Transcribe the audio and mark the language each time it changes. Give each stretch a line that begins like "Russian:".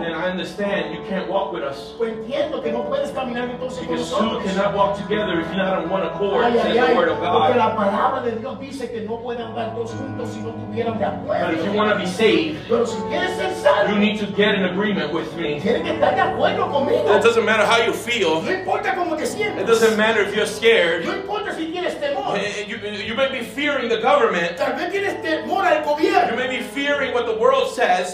English: Then I understand you can't walk with us.
Spanish: Pues entiendo que no puedes caminar entonces
English: because
Spanish: con nosotros.
English: Because two cannot walk together if you're not on one.
Spanish: Porque la palabra de Dios dice que no pueden andar dos juntos si no tuvieran de acuerdo.
English: But if you want to be saved,
Spanish: pero si quieres ser salvo,
English: you need to get in agreement with me.
Spanish: Tienes que estar de acuerdo conmigo.
English: It doesn't matter how you feel.
Spanish: No importa cómo te sientes.
English: It doesn't matter if you're scared.
Spanish: No importa si tienes temor.
English: You may be fearing the government.
Spanish: Tal vez tienes temor al gobierno.
English: You may be fearing what the world says.